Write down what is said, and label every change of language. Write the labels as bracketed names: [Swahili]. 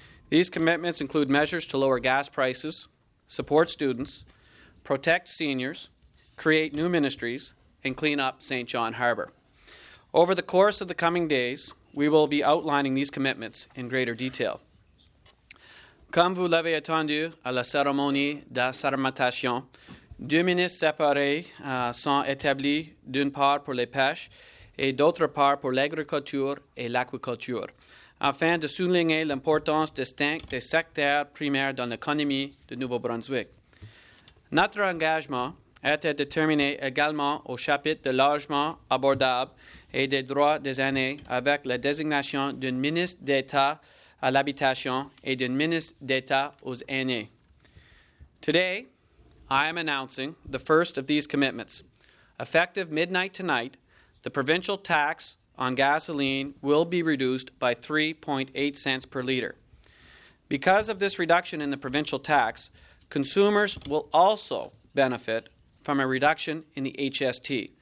[English] These commitments include measures to lower gas prices, support students, protect seniors, create new ministries, and clean up St. John Harbour. Over the course of the coming days, we will be outlining these commitments in greater detail. [French] Comme vous l'avez attendu à la cérémonie d'assermentation, deux ministres séparés sont établis d'une part pour les pêches et d'autre part pour l'agriculture et l'aquaculture, afin de souligner l'importance distincte des secteurs primaires dans l'économie du Nouveau-Brunswick. Notre engagement était déterminé également au chapitre de logement abordable et des droits des aînés avec la désignation d'une ministre d'État à l'habitation et d'une ministre d'État aux aînés. [English] Today, I am announcing the first of these commitments. Effective midnight tonight, the provincial tax on gasoline will be reduced by 3.8 cents per liter. Because of this reduction in the provincial tax, consumers will also benefit from a reduction in the HST.